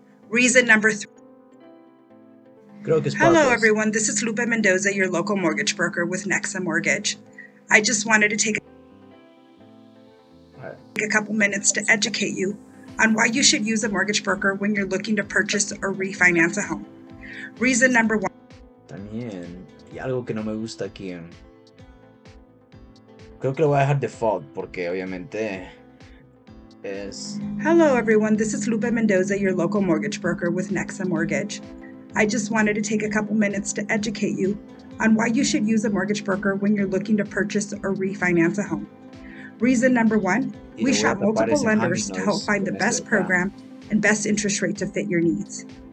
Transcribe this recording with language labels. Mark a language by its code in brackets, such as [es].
[en] Reason number three, hello everyone, this is Lupe Mendoza, your local mortgage broker with Nexa Mortgage. I just wanted to take a couple minutes to educate you on why you should use a mortgage broker when you're looking to purchase or refinance a home. Reason number one. [es] También, y algo que no me gusta aquí. Creo que lo voy a dejar default porque obviamente es... [en] Hello everyone, this is Lupe Mendoza, your local mortgage broker with Nexa Mortgage. I just wanted to take a couple minutes to educate you on why you should use a mortgage broker when you're looking to purchase or refinance a home. Reason number one, we shop multiple lenders to help find the best program and best interest rate to fit your needs.